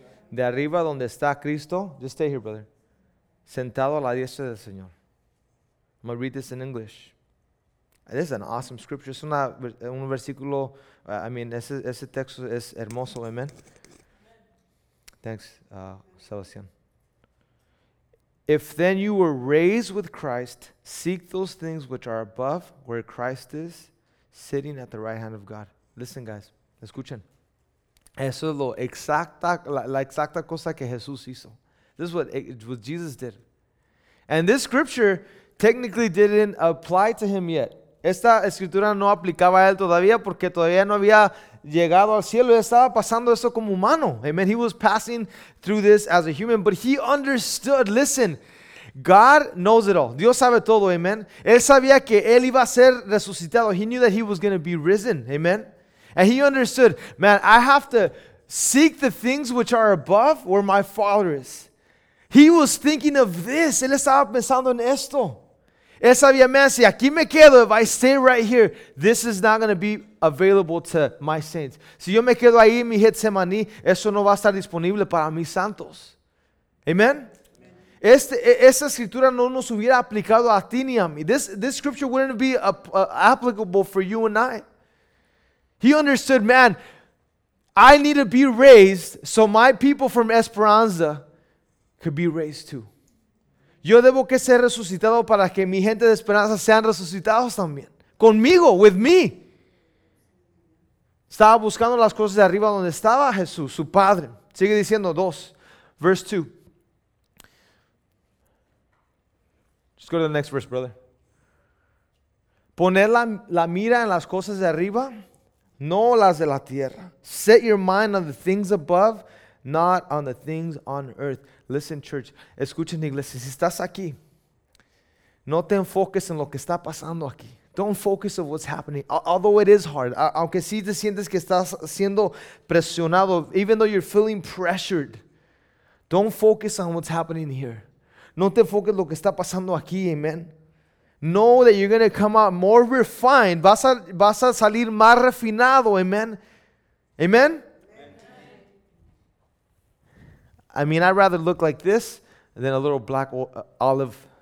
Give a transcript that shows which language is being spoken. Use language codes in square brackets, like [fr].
[es] De arriba donde está Cristo. [en] Just stay here, brother. [es] Sentado a la diestra del Señor. [en] I'm going to read this in English. This is an awesome scripture. [es] Es un versículo, [en] I mean, [es] ese texto es hermoso, amen. [en] Thanks, Sebastian. If then you were raised with Christ, seek those things which are above, where Christ is, sitting at the right hand of God. Listen, guys, [es] escuchen. Eso es lo exacta, la exacta cosa que Jesús hizo. [en] This is what Jesus did. And this scripture technically didn't apply to him yet. [es] Esta escritura no aplicaba a él todavía porque todavía no había llegado al cielo. Él estaba pasando eso como humano. [en] Amen. He was passing through this as a human. But he understood. Listen. God knows it all. [es] Dios sabe todo. [en] Amen. [es] Él sabía que él iba a ser resucitado. [en] He knew that he was going to be risen. Amen. And he understood. Man, I have to seek the things which are above where my Father is. He was thinking of this. [es] Él estaba pensando en esto. Él sabía, [en] man, [es] si aquí me quedo, [en] if I stay right here, this is not going to be available to my saints. [es] Si yo me quedo ahí en mi Getsemaní, eso no va a estar disponible para mis santos. Amen? Esta escritura no nos hubiera aplicado a ti ni a mí. [en] This scripture wouldn't be applicable for you and I. He understood, man, I need to be raised so my people from Esperanza could be raised too. [es] Yo debo que ser resucitado para que mi gente de Esperanza sean resucitados también. Conmigo, [en] with me. [es] Estaba buscando las cosas de arriba donde estaba Jesús, su Padre. Sigue diciendo dos. [en] Verse 2. Just go to the next verse, brother. [es] Poner la mira en las cosas de arriba, no las de la tierra. [en] Set your mind on the things above, not on the things on earth. Listen, church. [es] Escuchen, iglesia. Si estás aquí, no te enfoques en lo que está pasando aquí. [en] Don't focus on what's happening. Although it is hard. [es] Aunque sí te sientes que estás siendo presionado, [en] even though you're feeling pressured, don't focus on what's happening here. [es] No te enfoques en lo que está pasando aquí, amen. [en] Know that you're going to come out more refined. [es] Vas a salir más refinado, [en] amen. Amen. I mean, I'd rather look like this than a little black olive.